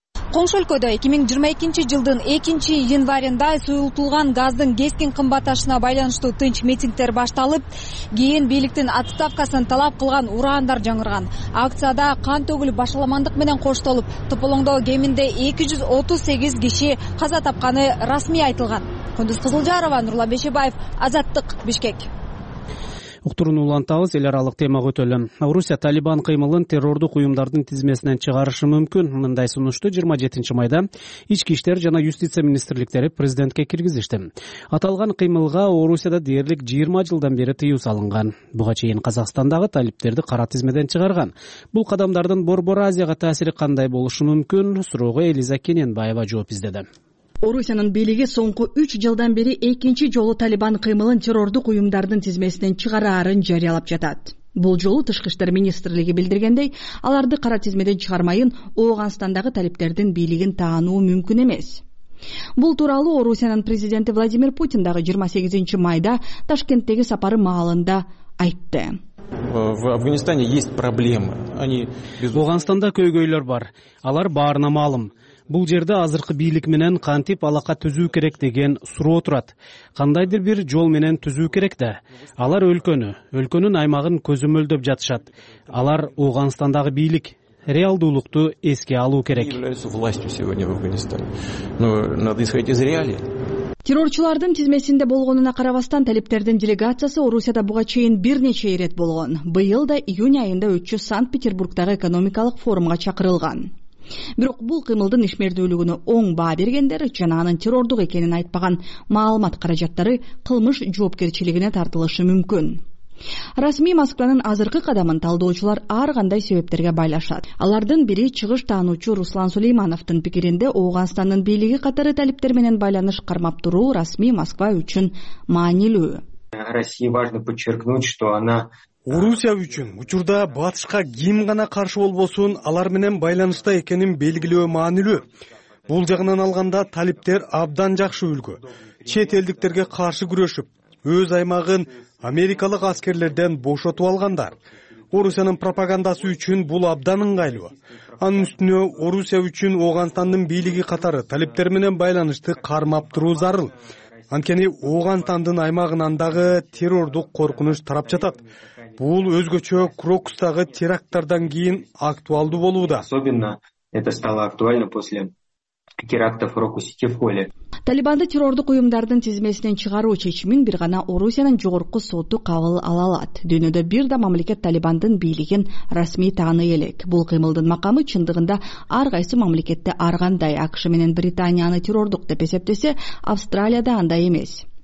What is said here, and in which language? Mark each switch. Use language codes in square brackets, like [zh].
[ky] Коңшу өлкөдө 2022 жылдын 2 январында суюлтулган газдын кескин кымбатташына байланыштуу тынч митингдер башталып, кийин бийликтин отставкасын талап кылган ураандар жаңырган. Акцияда кан төгүлүп башаламандык менен коштолуп, тополоңдоо кеминде 238 киши каза тапканы расмий айтылган. Кундуз Кызылжарова, Нурлан Бешебаев, Азаттык, Бишкек. Уктурууну улантабыз, эл аралык темага өтөлү. Орусия Талибан кыймылын террордук уюмдардын тизмесинен чыгарышы мүмкүн. Мындай сунушту 27 майда ички иштер жана юстиция министрликтери президентке киргизишти. Аталган кыймылга Орусияда дээрлик 20 жылдан бери тыюу салынган. Буга чейин Казакстандагы талиптерди кара тизмеден чыгарган. Бул кадамдардын Борбор Азияга таасири кандай болушу мүмкүн? Суроого Элиза Кененбаева жооп издеди. Орусиянын бийлиги соңку 3 жылдан бери 2-чи жолу Талибан кыймылын террордук уюмдардын тизмесинен чыгарарын жарыялап жатат. Бул жолу тышкы иштер министрлиги билдиргендей, аларды кара тизмеден чыгармайын Ооганстандагы талиптердин бийлигин таануу мүмкүн эмес. Бул тууралуу Орусиянын президенти Владимир Путин дагы 28 майда Ташкенттеги сапары маалында айтты. [ru] В Афганистане есть проблемы. Они [ky] Афганистанда көйгөйлөр бар. Алар баарына маалым. Бул жерде азыркы бийлик менен кантип алака түзүү керек деген суроо турат. Кандайдыр бир жол менен түзүү керек да. Алар өлкөнү, өлкөнүн аймагын көзөмөлдөп жатышат. Алар Афганистандагы бийлик реалдуулукту эске алуу керек. Террорчулардын тизмесинде болгонуна карабастан, талиптердин делегациясы Орусияда буга чейин бир нече ирет болгон. Быйыл да июнь айында өтчү Санкт-Петербургдагы экономикалык форумга чакырылган. Бирок бул кыймылдын ишмердүүлүгүнө оң баа бергендер жана анын террордук экенин айтпаган маалымат каражаттары кылмыш жоопкерчилигине тартылышы мүмкүн. Расмий Москванын азыркы кадамын талдоочулар ар кандай себептерге байлашат. Алардын бири чыгыш таануучу Руслан Сулеймановдун пикиринде Ооганстандын бийлиги катары талиптер менен байланыш кармап туруу расмий Москва үчүн маанилүү. [ru] России важно подчеркнуть, что она [ky] Орусия үчүн учурда батышка ким гана каршы болбосун алар менен байланышта экенин белгилөө маанилүү. Бул жагынан алганда талиптер абдан жакшы үлгү. Чет элдиктерге каршы күрөшүп, өз аймагын америкалык аскерлерден бошотуп алгандар. Орусиянын пропагандасы үчүн бул абдан ыңгайлуу. Анын үстүнө Орусия үчүн Оогонстандын бийлиги катары талиптер менен байланышты кармап туруу зарыл. Анткени Оогонстандын аймагынан дагы террордук коркунуч тарап жатат. Бул өзгөчө Крокустагы терактардан кийин актуалдуу болууда. [ru] Особенно это стало актуально после терактов в Крокусте в Холле. [ky] Талибанды террордук уюмдардын тизмесинен чыгаруу чечимин бир гана Орусиянын жогорку соту кабыл ала алат. Дүйнөдө бир да мамлекет Талибандын бийлигин расмий тааный элек. Бул кыймылдын макамы чындыгында ар кайсы мамлекетте ар кандай. АКШ менен Британияны террордук деп эсептесе, Австралияда андай эмес.